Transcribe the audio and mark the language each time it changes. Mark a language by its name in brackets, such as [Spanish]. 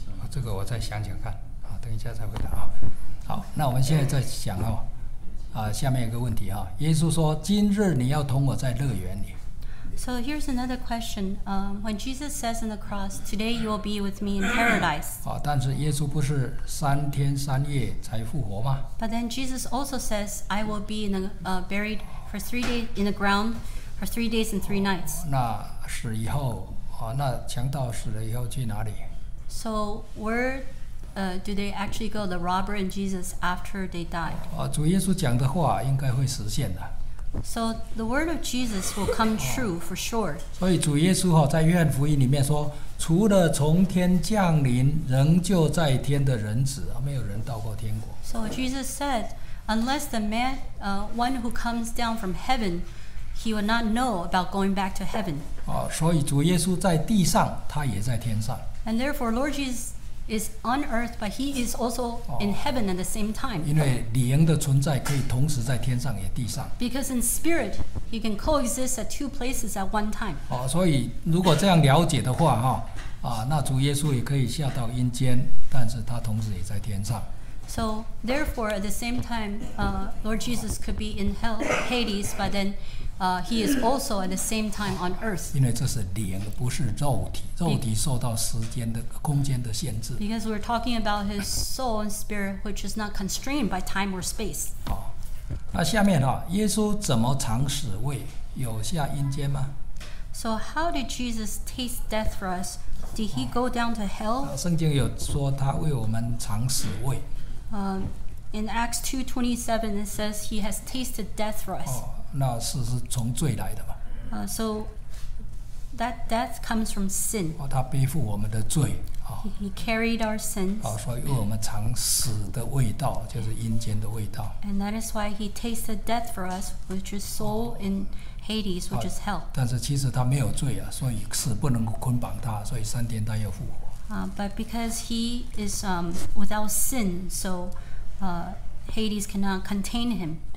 [Chinese] 这个我再想想看，等一下再回答啊。好，那我们现在再想哦，下面有个问题哈，耶稣说：“今日你要同我在乐园里。” [English] So here's another question. When Jesus says on the cross, "Today you will be with me in paradise." [Chinese] 但是耶稣不是三天三夜才复活吗 [English] ？But then Jesus also says, "I will be in a buried for 3 days in the ground." for 3 days and three nights. [Chinese] 那死以后，啊，那强盗死了以后去哪里？ [English] So where, do they actually go? The robber and Jesus after they died. [Chinese] 啊，主耶稣讲的话应该会实现的。 [English] So the word of Jesus will come true for sure. [Chinese] 所以主耶稣哈在约翰福音里面说，除了从天降临仍旧在天的人子，没有人到过天国。 [English] So Jesus said, unless the man, one who comes down from heaven, he will not know about going back to heaven. [Chinese] 所以主耶稣在地上，他也在天上。 [English] And therefore, Lord Jesus is on earth, but he is also in heaven at the same time. [Chinese] 因为灵的存在可以同时在天上也地上。 [English] Because in spirit, he can coexist at two places at one time. [Chinese] 所以如果这样了解的话，那主耶稣也可以下到阴间，但是他同时也在天上。 [English] So therefore, at the same time, Lord Jesus could be in hell, Hades, but then he is also at the same time on earth. [Chinese] 因为这是灵，不是肉体，肉体受到时间的空间的限制。 [English] Because we're talking about his soul and spirit, which is not constrained by time or space. [Chinese] 那下面耶稣怎么尝死味？有下阴间吗？ [English] So how did Jesus taste death for us? Did he go down to hell? [Chinese] 圣经有说他为我们尝死味。 [English] In Acts 2:27, it says he has tasted death for us. [Chinese] 那死是从罪来的嘛。 [English] So that death comes from sin. [Chinese] 他背负我们的罪。 [English] He carried our sins. [Chinese] 所以为我们尝死的味道，就是阴间的味道。 [English] And that is why he tasted death for us, which is soul in Hades, which is hell. [Chinese] 但是其实他没有罪啊，所以死不能捆绑他，所以三天他又复活。 [English] But because he is without sin, so Hades cannot contain him.